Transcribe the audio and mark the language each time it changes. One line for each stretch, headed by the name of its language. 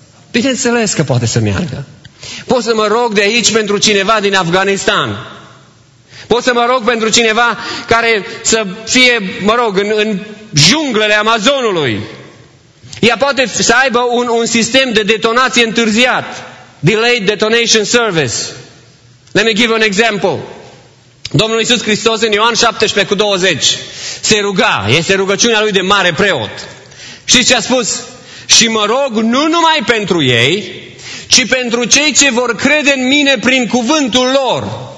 Romanian: Bineînțeles că poate să meargă. Pot să mă rog de aici pentru cineva din Afganistan. Pot să mă rog pentru cineva care să fie, mă rog, în junglele Amazonului. Ea poate să aibă un sistem de detonație întârziat.
English: Delayed Detonation Service. Let me give an example.
Romanian: Domnul Iisus Hristos în Ioan 17:20 se ruga, este rugăciunea lui de mare preot. Știți ce a spus? Și mă rog nu numai pentru ei, ci pentru cei ce vor crede în mine prin cuvântul lor.